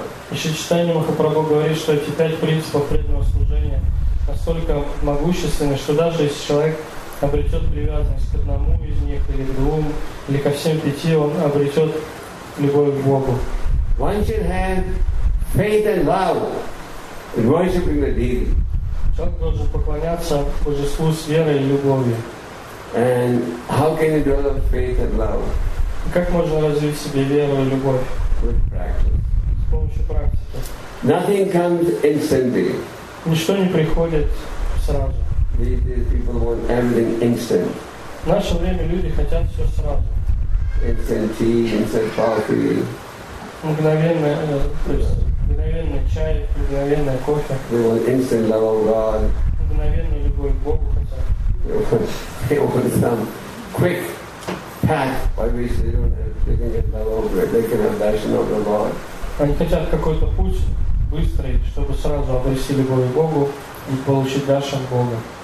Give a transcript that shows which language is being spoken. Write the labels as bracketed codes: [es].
[ru] еще Чайтанья Махапрабху говорит, что эти пять принципов преданного служения настолько могущественны, что даже если человек обретет привязанность к одному из них, или к двум, или ко всем пяти, он обретет любовь к Богу. [en] One should have faith and love in worshiping the deity. [ru] Человек должен поклоняться Божеству с верой и любовью. [en] And how can you develop faith and love? [ru] И как можно развить в себе веру и любовь? [en] With practice. Nothing comes instantly. [ru] Ничто не приходит сразу. [en] These people want everything instant. [ru] В наше время люди хотят все сразу. [en] Instant tea, instant coffee. [ru] Мгновенный чай, мгновенный кофе. [en] They want instant love of God. [ru] Мгновенный любовь к Богу хотят. [en] They want some quick path by which they don't have. [ru] Они хотят какой-то путь быстрый, чтобы сразу обрести любовь к Богу и получить даршан Бога.